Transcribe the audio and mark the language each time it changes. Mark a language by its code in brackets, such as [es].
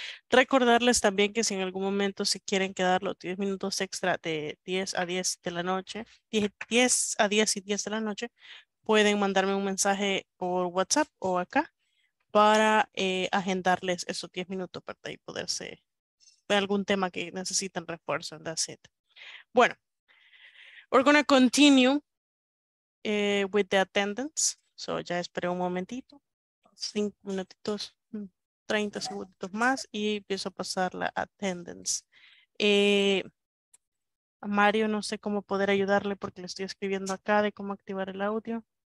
[es] Recordarles también que si en algún momento se quieren quedar los 10 minutos extra de 10 a 10 de la noche, 10 a 10 y 10 de la noche, pueden mandarme un mensaje por WhatsApp o acá para agendarles esos 10 minutos para poderse ver algún tema que necesitan refuerzo. [en] That's it. Bueno, we're going to continue with the attendance. [es] So ya esperé un momentito, 5 minutitos, 30 segunditos más y empiezo a pasar la attendance. A Mario no sé cómo poder ayudarle porque le estoy escribiendo acá de cómo activar el audio.